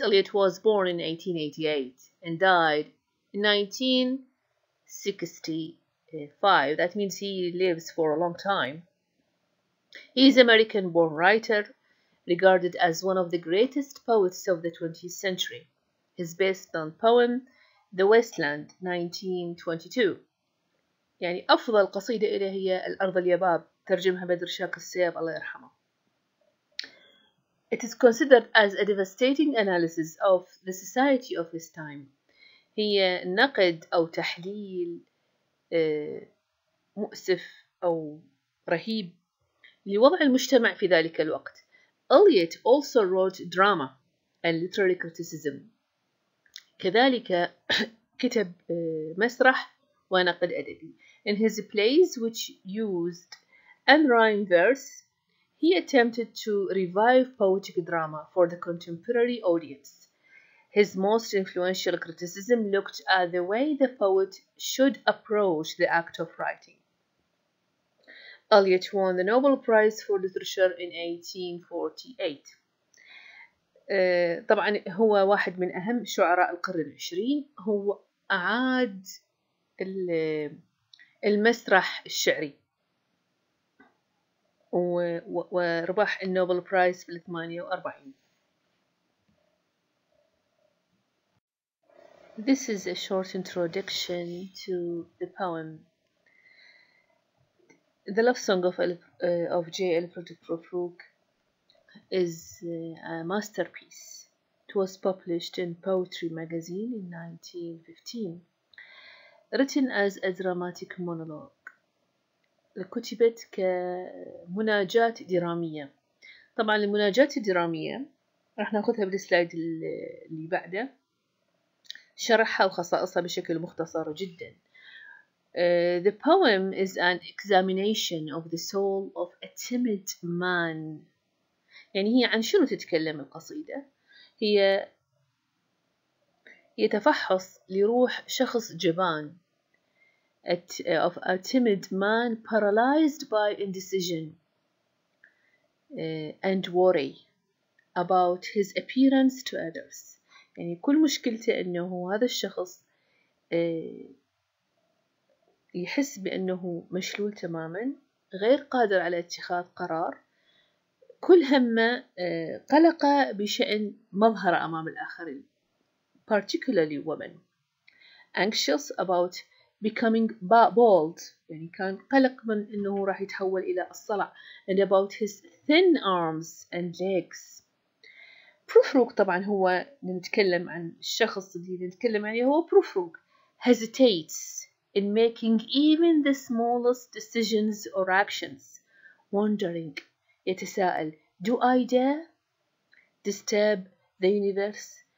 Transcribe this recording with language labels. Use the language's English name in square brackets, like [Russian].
[English] Eliot was born in 1888 and died in 1965. That means he lives for a long time. He is an American-born writer, regarded as one of the greatest poets of the 20th century. His best-known poem, The Westland, 1922. [Arabic] يعني أفضل قصيدة إلي هي الأرض اليباب, ترجمها بدر شاك السياب الله يرحمه. [English] It is considered as a devastating analysis of the society of his time. [Arabic] هي نقد أو تحليل مؤسف أو رهيب لوضع المجتمع في ذلك الوقت. [English] Eliot also wrote drama and literary criticism. [Arabic] كذلك كتب مسرح ونقد أدبي. [English] In his plays which used unrhymed verse, he attempted to revive poetic drama for the contemporary audience. His most influential criticism looked at the way the poet should approach the act of writing. Eliot won the Nobel Prize for Literature in 1848. [Arabic] طبعا هو واحد من أهم شعراء القرن العشرين. هو أعاد المسرح الشعري وربح النوبل برايز في 1948. [English] This is a short introduction to the poem The Love Song of J. Alfred Prufrock is a masterpiece. It was published in Poetry magazine in 1915. Written as a dramatic monologue. [Arabic] كتبت كمناجات درامية. طبعا المناجات الدرامية رح ناخذها بالسلايد اللي بعده. شرحها وخصائصها بشكل مختصر جدا. [English] The poem is an examination of the soul of a timid man. [Arabic] يعني هي عن شنو تتكلم القصيدة؟ هي يتفحص لروح شخص جبان. [English] Of a timid man paralyzed by indecision and worry about his appearance to others. [Arabic] يعني كل مشكلته أنه هذا الشخص يحس بأنه مشلول تماماً, غير قادر على اتخاذ قرار, كل همه قلقه بشأن مظهره أمام الآخرين, [English] particularly women, anxious about becoming bald, [Arabic] يعني كان قلق من أنه راح يتحول إلى الصلع, [English] and about his thin arms and legs. [Arabic] بروفروك طبعاً هو نتكلم عن الشخص اللي نتكلم عنه, هو بروفروك [English] hesitates in making even the smallest decisions or actions, wondering, [Arabic] يتساءل, [English] do I dare disturb the universe?